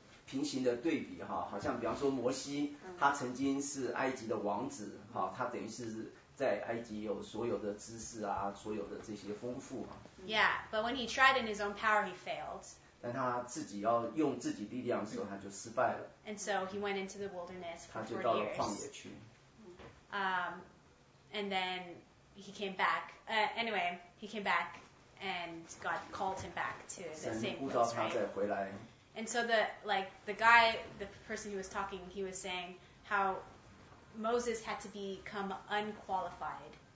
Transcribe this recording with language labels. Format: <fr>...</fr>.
<zh>平行的对比哈，好像比方说摩西，他曾经是埃及的王子哈，他等于是在埃及有所有的知识啊，所有的这些丰富嘛。</zh> <en>Yeah, but when he tried in his own power, he failed.</en> <zh>但他自己要用自己力量的时候，他就失败了。</zh> <en>And so he went into the wilderness for 40 years.</en> <zh>他就到了旷野去。</zh> <en>And then he came back. Anyway, he came back and God called him back to the same place.</en> <zh>神呼召他再回来。</zh> <en>And so the person who was talking, he was saying how Moses had to become unqualified.</en>